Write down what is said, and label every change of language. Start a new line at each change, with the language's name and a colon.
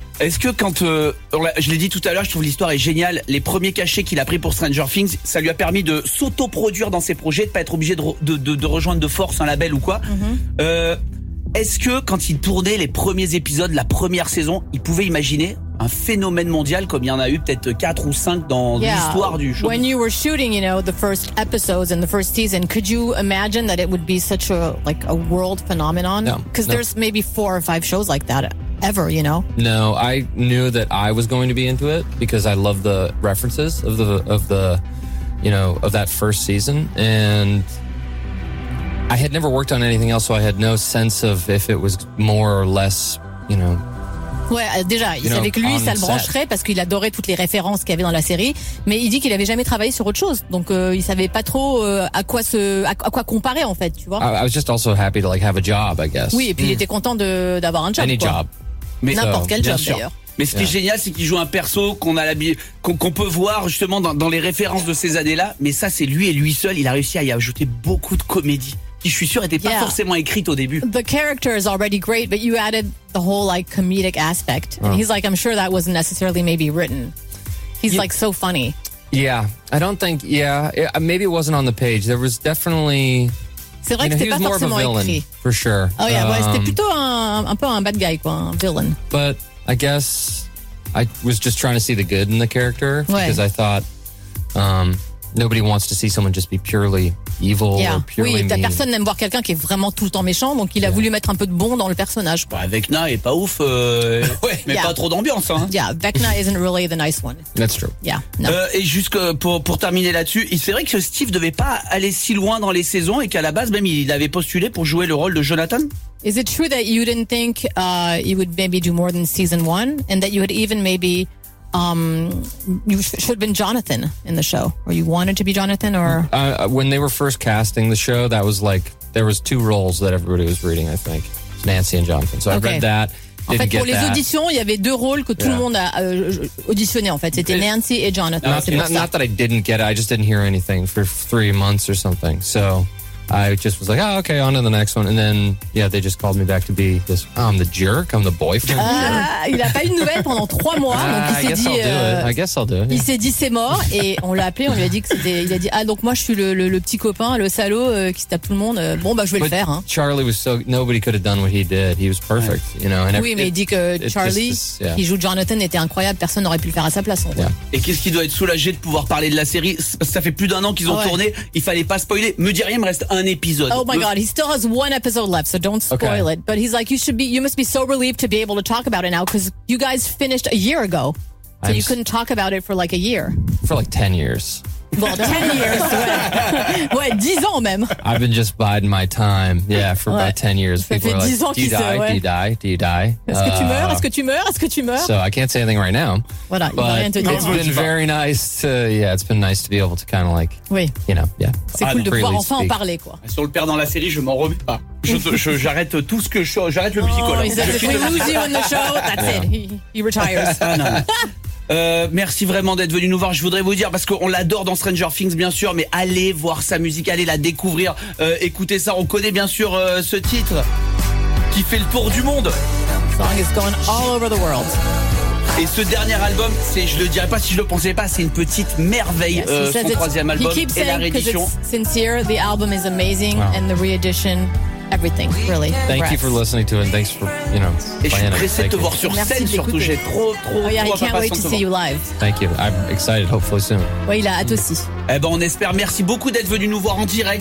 French: Est-ce que quand, je l'ai dit tout à l'heure, je trouve l'histoire est géniale, les premiers cachets qu'il a pris pour Stranger Things, ça lui a permis de s'autoproduire dans ses projets, de ne pas être obligé de rejoindre de force un label ou quoi. Mm-hmm. Est-ce que quand il tournait les premiers épisodes, la première saison, il pouvait imaginer un phénomène mondial comme il y en a eu peut-être 4 ou 5 dans l'histoire du show?
English: When you were shooting, you know, the first episodes and the first season, could you imagine that it would be such a, like, a world phenomenon? Because there's maybe 4 or 5 shows like that. Ever, you know? No, I knew that I was going to be into it because I love the references of that first season. And I had never worked on anything else, so I had no sense of if it was more or less, you know.
French: Ouais, déjà, il savait que lui, ça le brancherait parce qu'il adorait toutes les références qu'il y avait dans la série. Mais il dit qu'il avait jamais travaillé sur autre chose, donc il savait pas trop à quoi comparer en fait, tu vois.
English: I was just also happy to like have a job, I guess.
French: Oui, et puis il était content d'avoir un job.
English: Any job.
French: Mais n'importe quel job d'ailleurs. Mais ce qui est génial, c'est qu'il joue un perso qu'on peut voir justement dans les références de ces années-là. Mais ça, c'est lui et lui seul. Il a réussi à y ajouter beaucoup de comédie. Qui, je suis sûr, n'était pas forcément écrite au début.
English: The character is already great, but you added the whole like comedic aspect. Oh. And he's like, I'm sure that wasn't necessarily maybe written. He's like so funny. Yeah, I don't think. Yeah, maybe it wasn't on the page. There was definitely.
French: C'est vrai que c'était pas forcément
English: villain,
French: écrit.
English: For sure. Oh yeah,
French: ouais, c'était plutôt un peu un bad guy quoi, un villain.
English: But I guess I was just trying to see the good in the character because I thought. nobody wants to see someone just be purely evil or purely mean.
French: Personne n'aime voir quelqu'un qui est vraiment tout le temps méchant, donc il a voulu mettre un peu de bon dans le personnage. Bah, Vecna est pas ouf, mais pas trop d'ambiance. Hein.
English: Yeah, Vecna isn't really the nice one. That's true. Yeah. No.
French: Et juste pour terminer là-dessus, il c'est vrai que Steve devait pas aller si loin dans les saisons et qu'à la base, même, il avait postulé pour jouer le rôle de Jonathan.
English: Is it true that you didn't think you would maybe do more than season one and that you had even maybe... You should have been Jonathan in the show, or you wanted to be Jonathan, or when they were first casting the show, that was like there was two roles that everybody was reading. I think Nancy and Jonathan. So I read that.
French: Les auditions, il y avait deux rôles que tout le monde a auditionné. En fait, c'était Nancy et Jonathan.
English: Not that I didn't get it. I just didn't hear anything for 3 months or something. So I just was like, oh, okay, on to the next one. And then, they just called me back to be this, oh, I'm the jerk, I'm the boyfriend.
French: Il a pas eu de nouvelles pendant 3 mois.
English: I guess I'll do it.
French: Il s'est dit, c'est mort. Et on l'a appelé, on lui a dit que c'était. Il a dit, ah, donc moi, je suis le petit copain, le salaud qui se tape tout le monde. Bon, bah, je vais
English: But
French: le faire. Hein.
English: Charlie was so. Nobody could have done what he did. He was perfect,
French: And il dit que Charlie, qui joue Jonathan, était incroyable. Personne n'aurait pu le faire à sa place. Et qu'est-ce qu'il doit être soulagé de pouvoir parler de la série? Ça fait plus d'un an qu'ils ont tourné. Il fallait pas spoiler. Me dis rien, me reste un épisode.
English: Oh my god, he still has one episode left, so don't spoil it. But he's like, you must be so relieved to be able to talk about it now because you guys finished a year ago, so you couldn't talk about it for like a year. For like 10 years. Well, 10 years.
French: Ouais, 10 ans même.
English: I've been just biding my time. Yeah, for about 10 years. People are like, do you die?
French: Est-ce que tu meurs?
English: So I can't say anything right now.
French: Voilà,
English: but it's been very nice to. Yeah, it's been nice to be able to kind of like.
French: Oui.
English: You know. Yeah.
French: C'est cool de pouvoir enfin en parler, quoi. Si on le perd dans la série, je m'en remets pas. J'arrête tout ce que je. J'arrête le musical.
English: Oh, we lose you in the show. That's it. He retires.
French: Merci vraiment d'être venu nous voir. Je voudrais vous dire, parce qu'on l'adore dans Stranger Things, bien sûr, mais allez voir sa musique, allez la découvrir. Écoutez ça, on connaît bien sûr ce titre qui fait le tour du monde.
English: Song is going all over the world.
French: Et ce dernier album, c'est, je le dirais pas si je le pensais pas, c'est une petite merveille, son troisième album
English: he keeps
French: et la réédition.
English: It's sincere, the album is amazing and the re-edition. Everything, really. Thank you for listening to it. And thanks for,
French: Et je suis pressé de te voir sur scène, merci, surtout. J'ai trop
English: I can't wait to see you live. Thank you. I'm excited, hopefully soon.
French: Oui, il a hâte aussi. Eh ben, on espère. Merci beaucoup d'être venu nous voir en direct.